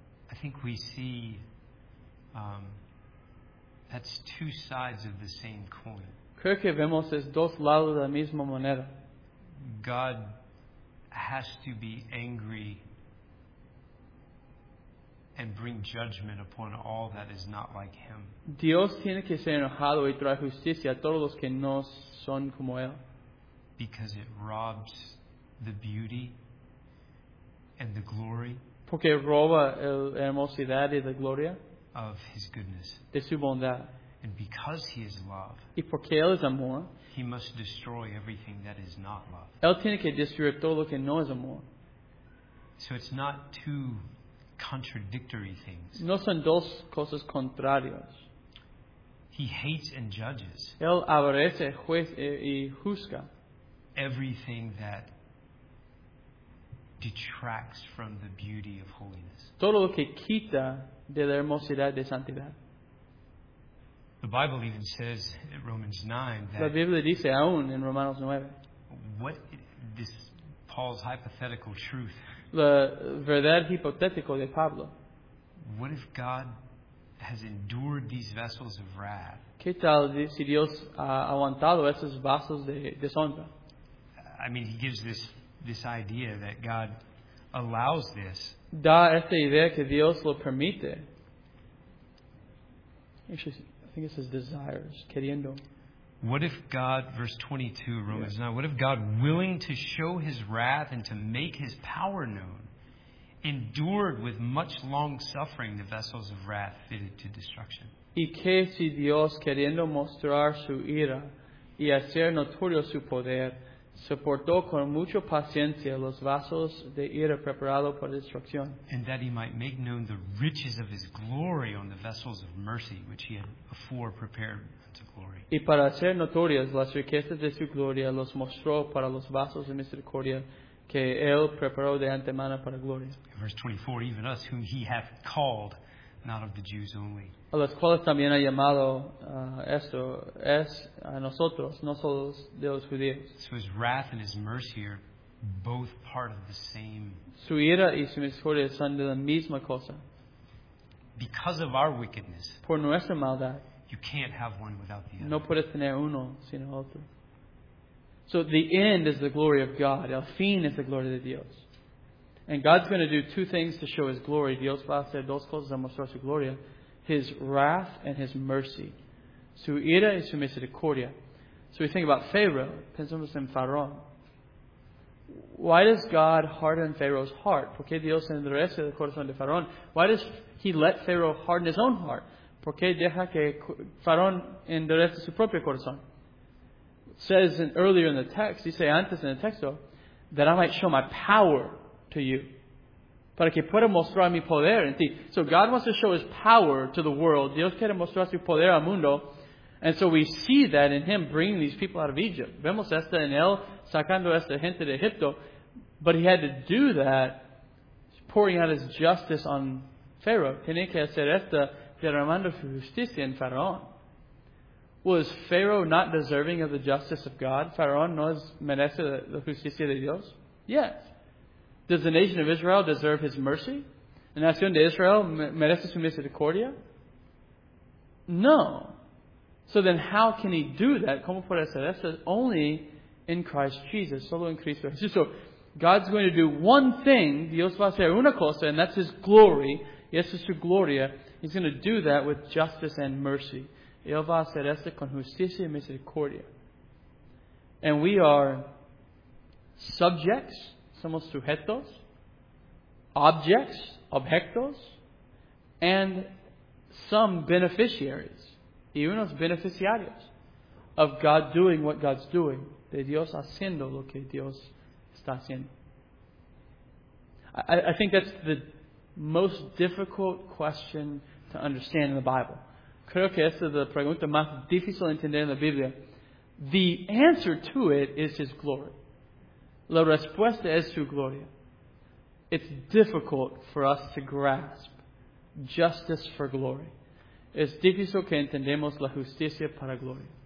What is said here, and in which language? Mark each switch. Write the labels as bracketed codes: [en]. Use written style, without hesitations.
[en] I think we see that's two sides of the same coin. [es] Creo que vemos es dos lados de la misma moneda. [en] God has to be angry and bring judgment upon all that is not like him. [es] Dios tiene que ser enojado y traer justicia a todos los que no son como él. [en] Because it robs the beauty and the glory. [es] Porque roba la hermosidad y la gloria [en] of his goodness. [es] De su bondad. [en] And because he is love, [es] y porque él es amor, [en] he must destroy everything that is not love. [es] Él tiene que destruir todo lo que no es amor. [en] So it's not two contradictory things. [es] No son dos cosas contrarias. [en] He hates and judges. [es] Él aborrece, juzga y juzga [en] everything that detracts from the beauty of holiness. [es] Todo lo que quita de la hermosidad de santidad. [en] The Bible even says in Romans 9 that [es] la Biblia dice aún en Romanos 9 [en] what this Paul's hypothetical truth. [es] La verdad hipotética de Pablo. [en] What if God has endured these vessels of wrath? [es] ¿Qué tal si Dios ha aguantado esos vasos de deshonra? [en] I mean, he gives this idea that God allows this. [es] Da esta idea que Dios lo permite. [en] Actually, I think it says desires, queriendo. What if God, verse 22, Romans 9, what if God, willing to show his wrath and to make his power known, endured with much long suffering the vessels of wrath fitted to destruction? [es] Y que si Dios, queriendo mostrar su ira y hacer notorio su poder, soportó con mucha paciencia los vasos de ira preparado para destrucción. [en] And that he might make known the riches of his glory on the vessels of mercy which he had before prepared unto glory. [es] Y para hacer notorias las riquezas de su gloria los mostró para los vasos de misericordia que él preparó de antemano para gloria. [en] Verse 24, even us whom he hath called, not of the Jews only. [es] A los cuales también ha llamado esto es a nosotros, no solo de los judíos. [en] So his wrath and his mercy are both part of the same. [es] Su ira y su misericordia son de la misma cosa. [en] Because of our wickedness. [es] Por nuestra maldad. [en] You can't have one without the other. [es] No puedes tener uno sin el otro. [en] So the end is the glory of God. [es] El fin es la gloria de Dios. [en] And God's going to do two things to show his glory. [es] Dios va a hacer dos cosas a mostrar su gloria. [en] His wrath and his mercy. [es] Su ira y su misericordia. [en] So we think about Pharaoh. [es] Pensamos en Faraón. [en] Why does God harden Pharaoh's heart? [es] ¿Por qué Dios endurece el corazón de Faraón? [en] Why does he let Pharaoh harden his own heart? [es] ¿Por qué deja que Faraón endurece su propio corazón? [en] It says earlier in the text, [es] dice antes en el texto, [en] that I might show my power to you. [es] Para que pueda mostrar mi poder en ti. [en] So God wants to show his power to the world. [es] Dios quiere mostrar su poder al mundo. [en] And so we see that in him bringing these people out of Egypt. [es] Vemos esto en él sacando esta gente de Egipto. [en] But he had to do that, pouring out his justice on Pharaoh. [es] Tiene que hacer esto derramando su justicia en Faraón. [en] Was Pharaoh not deserving of the justice of God? [es] Faraón no merece la justicia de Dios? [en] Yes. Does the nation of Israel deserve his mercy? [es] La nación de Israel merece su misericordia? [en] No. So then how can he do that? [es] ¿Cómo puede hacer eso? [en] Only in Christ Jesus. [es] Solo en Cristo Jesús. [en] So God's going to do one thing. [es] Dios va a hacer una cosa. [en] And that's his glory. [es] Y eso es su gloria. [en] He's going to do that with justice and mercy. [es] Él va a hacer eso con justicia y misericordia. [en] And we are subjects. [es] Somos sujetos [en] objects, [es] objetos, [en] and some beneficiaries, [es] y unos beneficiarios, [en] of God doing what God's doing, [es] de Dios haciendo lo que Dios está haciendo. [en] I think that's the most difficult question to understand in the Bible. [es] Creo que esta es la pregunta más difícil de entender en la Biblia. [en] The answer to it is His glory. [es] La respuesta es su gloria. [en] It's difficult for us to grasp justice for glory. [es] Es difícil que entendamos la justicia para gloria.